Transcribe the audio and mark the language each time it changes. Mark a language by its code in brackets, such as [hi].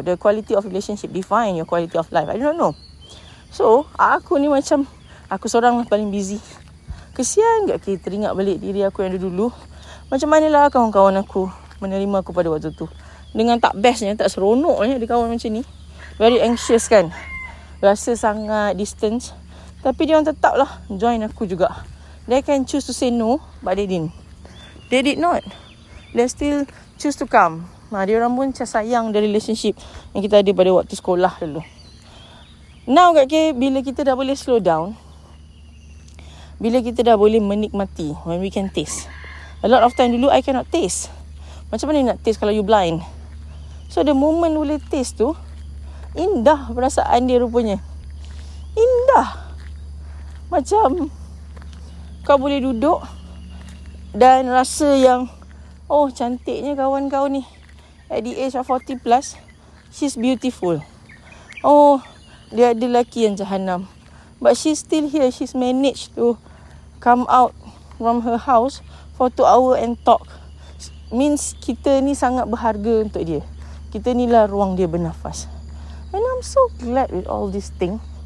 [en] The quality of relationship define your quality of life. I don't know. So, [ms] aku ni macam Aku seorang lah paling busy. Kesian gak kita teringat balik diri aku yang dulu. Macam manalah kawan-kawan aku menerima aku pada waktu tu. Dengan tak bestnya, tak seronoknya ada kawan macam ni. [en] Very anxious [ms] kan. Rasa sangat distance. Tapi dia orang tetap lah join aku juga. [en] They can choose to say no, but they didn't. They did not. They still choose to come. [ms] Nah, dia orang pun macam sayang [en] the relationship [ms] yang kita ada pada waktu sekolah dulu. [en] Now [ms] kat kira, bila kita dah boleh [en] slow down, [ms] bila kita dah boleh menikmati, [en] when we can taste. A lot of time dulu, I cannot taste. [ms] Macam mana nak taste kalau you blind? [en] So the moment [ms] boleh taste tu, indah perasaan dia rupanya. Indah. Macam kau boleh duduk dan rasa yang, oh cantiknya kawan kau ni. [en] At the age of 40 plus, she's beautiful. [ms] Oh, dia ada lelaki yang jahanam. [en] But she's still here. She's managed to come out from her house for 2 hours and talk. [ms] Means kita ni sangat berharga untuk dia. Kita ni lah ruang dia bernafas. [en] And I'm so glad with all this thing.